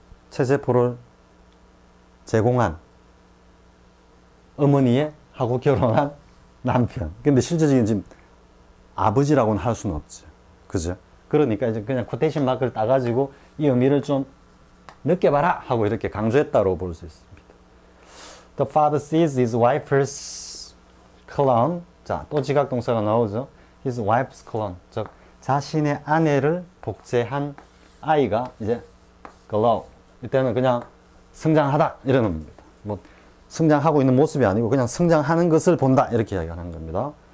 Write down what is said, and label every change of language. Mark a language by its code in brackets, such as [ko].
[ko] 체세포를 제공한 어머니의 하고 결혼한 남편. 근데 실제적인 지금 아버지라고는 할 수는 없지. 그죠? 그러니까 이제 그냥 quotation mark를 따가지고 이 의미를 좀 느껴봐라! 하고 이렇게 강조했다고 볼수 있습니다. [en] The father sees his wife's clone. [ko] 자, 또 지각동사가 나오죠. [en] His wife's clone. [ko] 즉, 자신의 아내를 복제한 아이가 이제 glow. 이때는 그냥 성장하다 이러는 겁니다. 뭐 성장하고 있는 모습이 아니고 그냥 성장하는 것을 본다 이렇게 이야기하는 겁니다.